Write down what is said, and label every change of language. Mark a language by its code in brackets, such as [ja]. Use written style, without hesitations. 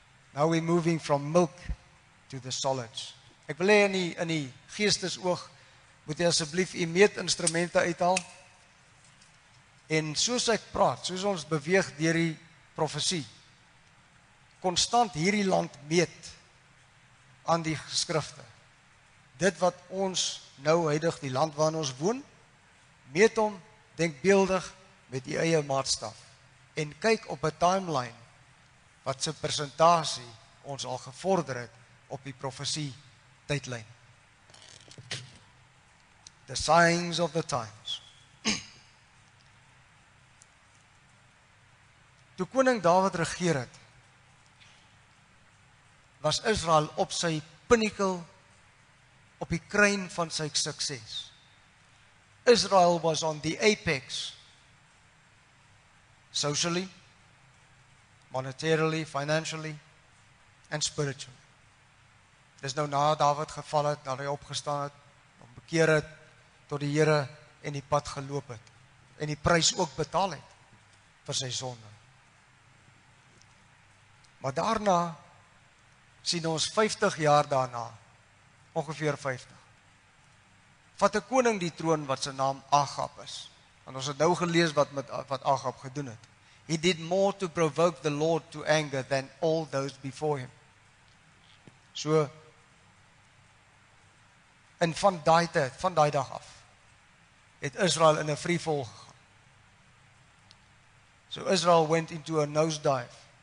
[en] Now we're moving from milk to the solids. [af] Ek wil hê in die geestesoog moet jy asseblief u meetinstrumente uithaal. En soos ek praat, soos ons beweeg deur die profesie, konstant hierdie land meet aan die geskrifte. Dit wat ons nou heidig die land waarin ons woon, meet hom denkbeeldig met die eie maatstaf en kyk op 'n timeline wat sy persentasie ons al gevorder het op die profesie tydlyn. [en] The signs of the times. [af] Toe koning Dawid regeer het, was Israel op sy pinnacle, op die kruin van sy sukses. [en] Israel was on the apex, socially, monetarily, financially, and spiritually. [af] Dis nou na Dawid geval het, na hy opgestaan het, om bekeer het, tot die Here en die pad geloop het, en die prys ook betaal het, vir sy sonde. Maar daarna, sien ons 50 jaar daarna, ongeveer 50, vat 'n koning die troon, wat sy naam Agab is, en ons het nou gelees wat Agab gedoen het. [en] He did more to provoke the Lord to anger than all those before him. [af] So, en van daai tyd, van daai dag af, het Israel in 'n vrieval gegaan. [en] So Israel went into a nosedive.